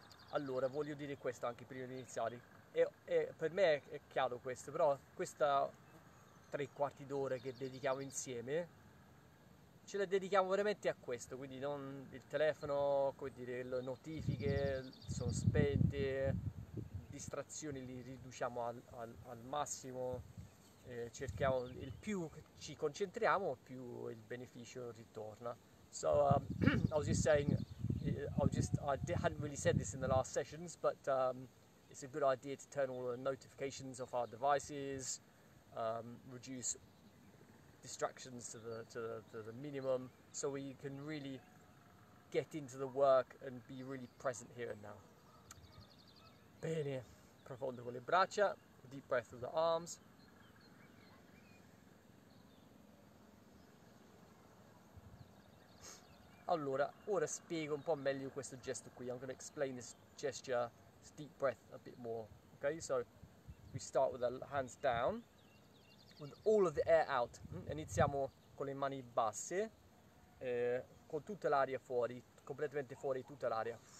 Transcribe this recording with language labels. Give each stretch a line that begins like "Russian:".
Italian: Allora, voglio dire questo anche prima di iniziare. E per me è chiaro questo, però questa tre quarti d'ora che dedichiamo insieme, ce la dedichiamo veramente a questo, quindi non il telefono, come dire, le notifiche sono spente, distrazioni li riduciamo al massimo, cerchiamo, il più ci concentriamo, più il beneficio ritorna.
English: So, I was just saying, I hadn't really said this in the last sessions, but it's a good idea to turn all the notifications off our devices, reduce distractions to the minimum, so we can really get into the work and be really present here and now.
Italian: Bene, profondo con le braccia,
English: deep breath through the arms.
Italian: Allora, ora spiego un po' meglio questo gesto qui.
English: I'm going to explain this gesture, this deep breath, a bit more. Okay, so we start with our hands down, with all of the air out.
Italian: Iniziamo con le mani basse, con tutta l'aria fuori, completamente fuori tutta l'aria.